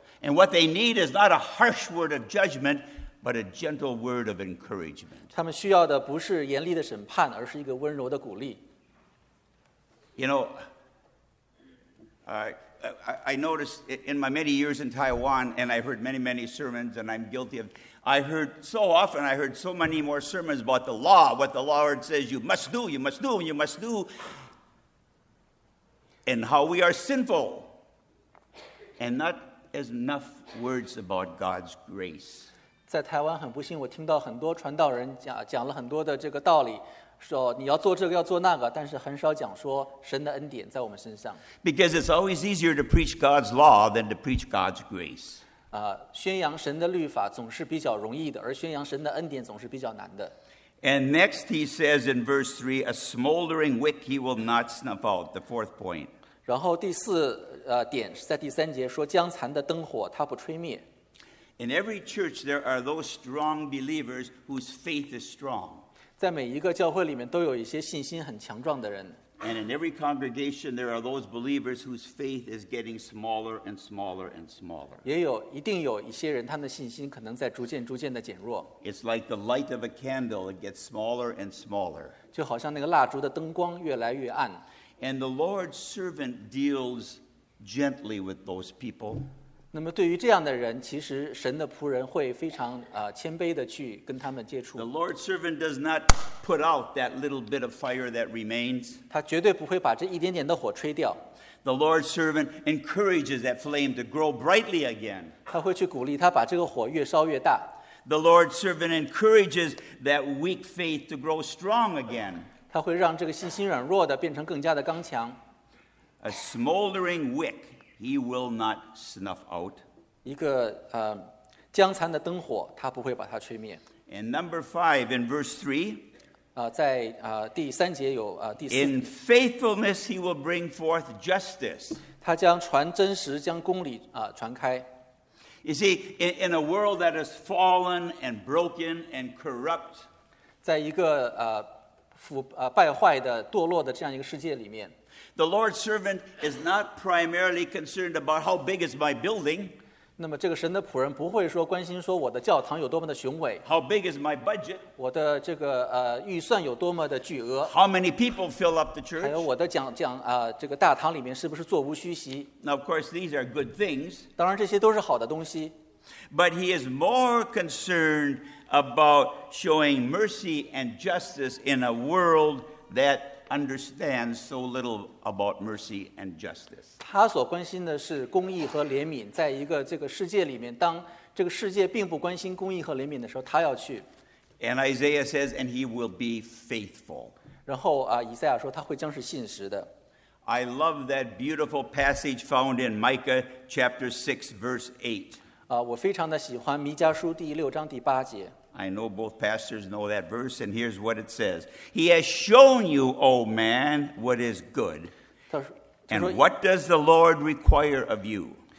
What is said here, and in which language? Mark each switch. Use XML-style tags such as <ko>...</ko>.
<en>and what they need is not a harsh word of judgment,But a gentle word of encouragement.</en> <zh>他们需要的不是严厉的审判，而是一个温柔的鼓励。</zh> <en>You know, I noticed in my many years in Taiwan, and I heard many, many sermons, and I'm guilty of. I heard so many more sermons about the law, what the Lord says you must do, you must do, you must do, and how we are sinful, and not as enough words about God's grace.</en> <zh>在台湾很不幸，我听到很多传道人 讲了很多的这个道理，说你要做这个要做那个，但是很少讲说神的恩典在我们身上。</zh> <en>Because it's always easier to preach God's law than to preach God's grace.</en> <zh>宣扬神的律法总是比较容易的，而宣扬神的恩典总是比较难的。</zh> <en>And next he says in verse 3, a smoldering wick he will not snuff out, the fourth point.</en> <zh>然后第四点是在第三节说将残的灯火他不吹灭。</zh> <en>In every church, there are those strong believers whose faith is strong.</en> <zh>在每一个教会里面都有一些信心很强壮的人。</zh> <en>And in every congregation, there are those believers whose faith is getting smaller and smaller and smaller.</en> <zh>也有一定有一些人，他们的信心可能在逐渐逐渐的减弱。</zh> <en>It's like the light of a candle; it gets smaller and smaller.</en> <zh>就好像那个蜡烛的灯光越来越暗。</zh> <en>And the Lord's servant deals gently with those people.</en> <zh>那么对于这样的人，其实神的仆人会非常谦卑的去跟他们接触。</zh> <en>The Lord's servant does not put out that little bit of fire that remains.</en> <zh>他绝对不会把这一点点的火吹掉。</zh> <en>The Lord's servant encourages that flame to grow brightly again.</en> <zh>他会去鼓励他把这个火越烧越大。</zh> <en>The Lord's servant encourages that weak faith to grow strong again.</en> <zh>它会让这个信心软弱的变成更加的刚强。</zh> <en>A smoldering wick he will not snuff out.</en> <zh>一个僵残的灯火，他不会把它吹灭。</zh> <en>And number five in verse three.</en> <zh>在第三节有第四节。</zh> <en>In faithfulness he will bring forth justice.</en> <zh>他将传真实，将公理传开。</zh> <en>You see, in a world that is fallen and broken and corrupt.</en> <zh>在一个败坏的堕落的这样一个世界里面。</zh> <en>The Lord's servant is not primarily concerned about how big is my building.</en> <zh>那么这个神的仆人不会说关心说我的教堂有多么的雄伟。</zh> <en>How big is my budget?</en> <zh>我的这个预算有多么的巨额。</zh> <en>How many people fill up the church?</en> <zh>还有我的这个大堂里面是不是座无虚席。</zh> <en>Now of course these are good things.</en> <zh>当然这些都是好的东西。</zh> <en>But he is more concerned about showing mercy and justice in a world that understand so little about mercy and justice.</en> <zh>他所关心的是公义和怜悯，在一个这个世界里面，当这个世界并不关心公义和怜悯的时候，他要去。</zh> <en>And Isaiah says, and he will be faithful.</en> <zh>然后以赛亚说他会将是信实的。</zh> <en>I love that beautiful passage found in Micah chapter 6 verse 8.</en> <zh>我非常的喜欢弥迦书第六章第八节。</zh> <en>I know both pastors know that verse, and here's what it says. He has shown you, O man, what is good. And what does the Lord require of you?</en>